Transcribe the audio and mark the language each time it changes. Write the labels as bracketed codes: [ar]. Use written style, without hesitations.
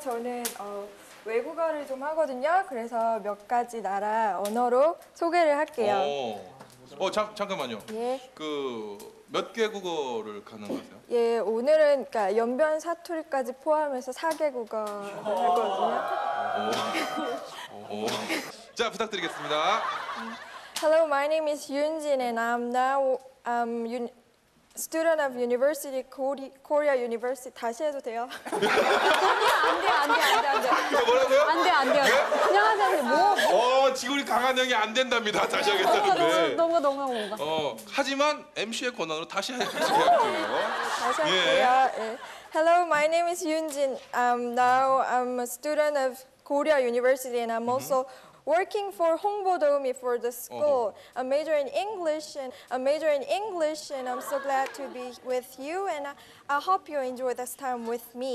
[ko] 저는 외국어를 좀 하거든요. 그래서 몇 가지 나라 언어로 소개를 할게요. 잠깐만요. 예. 그 몇 개 국어를 가능하세요? 예, 오늘은 그러니까 연변 사투리까지 포함해서 4개 국어를 하거든요. 자, 부탁드리겠습니다. [en] Hello, my name is Yunjin and I'm now student of University Korea University. [ko] 다시 해도 돼요? 안 돼. 뭐라고요? 안 돼. 안녕하세요. 뭐? 지금 우리 강한 형이 안 된답니다. 다시 하겠다는데. 너무 하지만 MC의 권한으로 다시 해야 돼요. 다시 할게요. 예. [en] Hello, my name is Yunjin. Now I'm a student of Korea University and I'm also working for Hongbo Domi for the school. Uh-huh. I'm majoring in English and I'm so glad to be with you and I hope you enjoy this time with me.